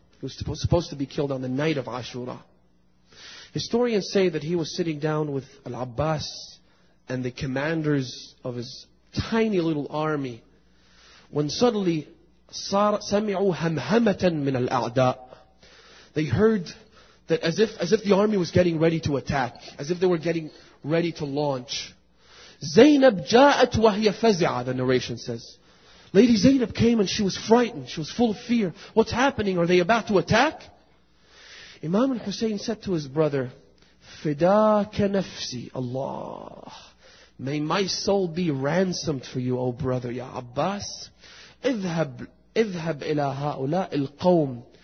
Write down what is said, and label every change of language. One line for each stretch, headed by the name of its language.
English: He was supposed to be killed on the night of Ashura. Historians say that he was sitting down with Al-Abbas and the commanders of his tiny little army when suddenly
Arabic: سَمِعُوا هَمْهَمَةً مِنَ الْأَعْدَاءِ.
English: They heard that as if the army was getting ready to attack, as if they were getting ready to launch.
Arabic: زَيْنَبْ جَاءَتْ وَهِيَ فَزِعَةً,
English: the narration says. Lady Zainab came and she was frightened. She was full of fear. What's happening? Are they about to attack? Imam al-Hussein said to his brother,
Arabic: فِدَاكَ نَفْسِي.
English: Allah, may my soul be ransomed for you, O brother, Ya Abbas.
Arabic: اذهب إلى هؤلاء القوم